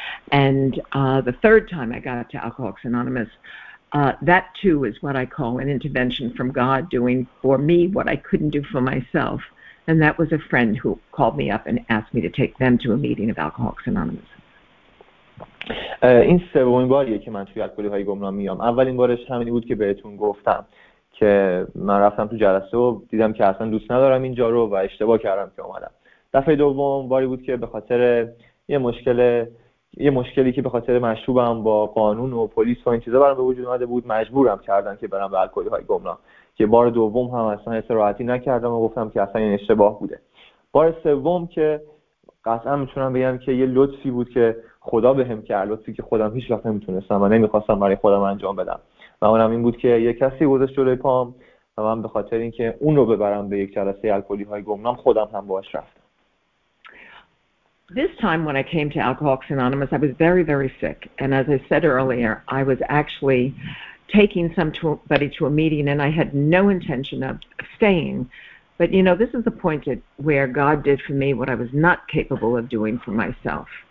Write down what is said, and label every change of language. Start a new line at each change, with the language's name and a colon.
English: And the third time I got to Alcoholics Anonymous, that too is what I call an intervention from God doing for me what I couldn't do for myself. And that was a friend who called me up and asked me to take them to a meeting of Alcoholics Anonymous.
Persian: این سومین باریه که من توی الکلی‌های گمنام میام. اولین بارش همین بود که بهتون گفتم که من رفتم تو جلسه و دیدم که اصلا دوست ندارم اینجا رو و اشتباه کردم که اومدم. دفعه دوم باری بود که به خاطر یه مشکلی که به خاطر مشروبم با قانون و پلیس و این چیزا برام به وجود اومده بود، مجبورم کردن که برم به الکلی‌های گمنام. که بار دوم هم اصلا حس راحتی نکردم و گفتم که اصلا این اشتباه بوده. بار سوم که قطعا میتونم بگم که یه لطفی بود که خدا بهم کرد، لطفی که خودم هیچ وقت نمیتونستم و نمیخواستم برای خودم انجام بدم، و اونم این بود که یک کسی گذاشت جلوی پام و من به خاطر اینکه اون رو ببرم به یک جلسه الکلی های گمنام خودم هم باهاش رفتم.
English: This time when I came to Alcoholics Anonymous I was very very sick, and as I said earlier I was actually taking somebody to a meeting and I had no intention of staying. But you know, this is the point where God did for me what I was not capable of doing for myself.